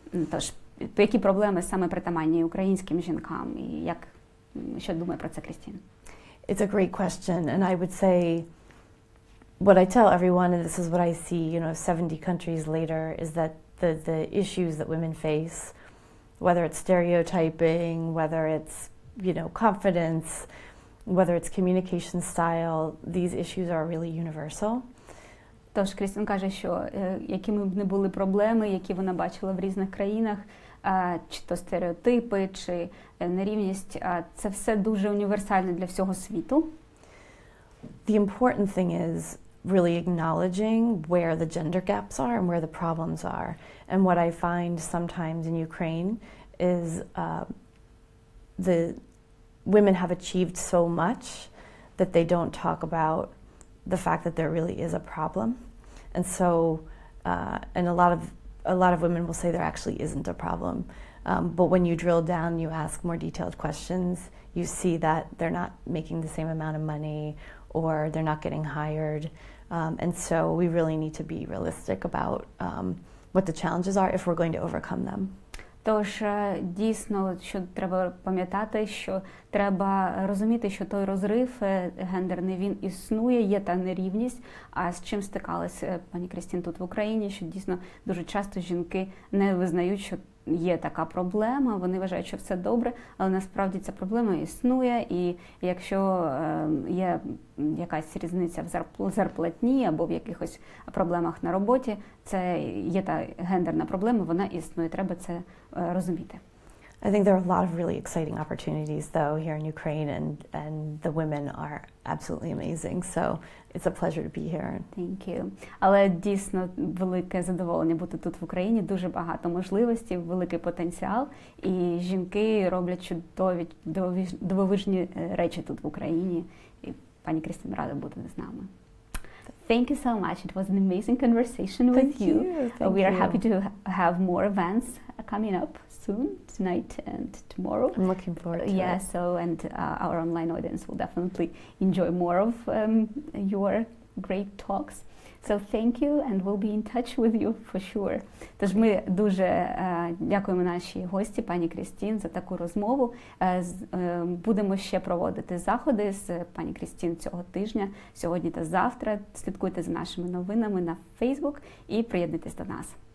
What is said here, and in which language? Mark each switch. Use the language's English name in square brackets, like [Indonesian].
[Ukrainian] Тож, які проблеми саме притаманні українським жінкам? І як, що думає про це Крістін? [English] It's a great question, and I would say what I tell everyone, and this is what I see, you know, 70 countries later, is that the issues that women face, whether it's stereotyping, whether it's, you know, confidence, whether it's communication style, these issues are really universal. [Ukrainian] Тож Крістін каже, що якими б не були проблеми, які вона бачила в різних країнах, чи то стереотипи, чи нерівність, це все дуже універсальне для всього світу. [English] The important thing is really acknowledging where the gender gaps are and where the problems are. And what I find sometimes in Ukraine is the women have achieved so much that they don't talk about the fact that there really is a problem. And so, a lot of women will say there actually isn't a problem, but when you drill down, you ask more detailed questions, you see that they're not making the same amount of money or they're not getting hired. And so we really need to be realistic about what the challenges are if we're going to overcome them. [Ukrainian] Тож, дійсно, що треба пам'ятати, що треба розуміти, що той розрив гендерний, він існує, є та нерівність. А з чим стикалась пані Крістін тут в Україні, що дійсно дуже часто жінки не визнають, що є така проблема, вони вважають, що все добре, але насправді ця проблема існує, і якщо є якась різниця в зарплатні або в якихось проблемах на роботі, це є та гендерна проблема, вона існує, треба це розуміти. [English] I think there are a lot of really exciting opportunities though here in Ukraine, and the women are absolutely amazing. So it's a pleasure to be here. Thank you. [Ukrainian] Але дійсно велике задоволення бути тут в Україні, дуже багато можливостей, великий потенціал, і жінки роблять чудові, дивовижні речі тут в Україні. І пані Крістін рада бути з нами. [English] Thank you so much. It was an amazing conversation with you. Thank you. We are happy to have more events coming up soon, tonight and tomorrow. I'm looking forward to it. Yeah, so, and our online audience will definitely enjoy more of your great talks. So thank you, and we'll be in touch with you for sure. [Ukrainian] Тож ми дуже дякуємо нашій гості, пані Крістін, за таку розмову. Будемо ще проводити заходи з пані Крістін цього тижня, сьогодні та завтра. Слідкуйте за нашими новинами на Facebook і приєднуйтесь до нас.